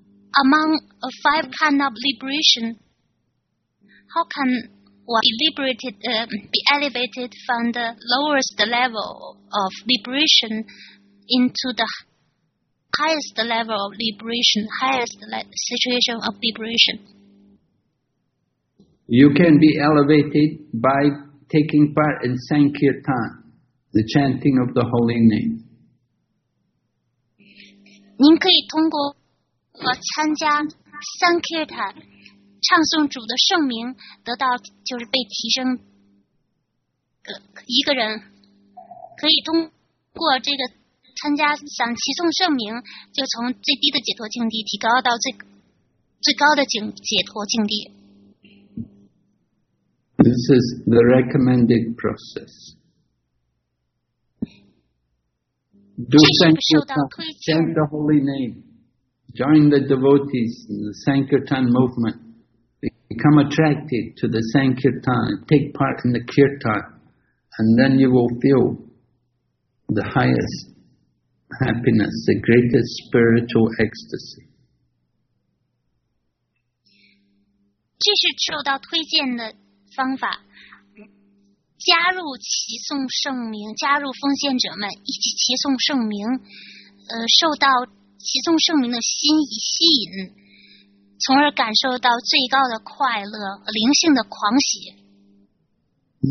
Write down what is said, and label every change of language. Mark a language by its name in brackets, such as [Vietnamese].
[English] Among a five kind of liberation, how can one be elevated from the lowest level of liberation into the highest level of liberation, highest situation of liberation? You can be elevated by taking part in Sankirtan. The chanting of the holy name. [Chinese] 您可以通过参加 Sankirtan 唱诵主的圣名得到就是被提升一个人可以通过这个参加想齐颂圣名就从最低的解脱境地提高到最高的解脱境地 [English] This is the recommended process. Do Sankirtan, chant the holy name, join the devotees in the Sankirtan movement, become attracted to the Sankirtan, take part in the Kirtan, and then you will feel the highest happiness, the greatest spiritual ecstasy. This is the way to recommend the method. [Chinese] 加入齐颂圣名，加入奉献者们一起齐颂圣名，受到齐颂圣名的心意吸引，从而感受到最高的快乐和灵性的狂喜。嗯。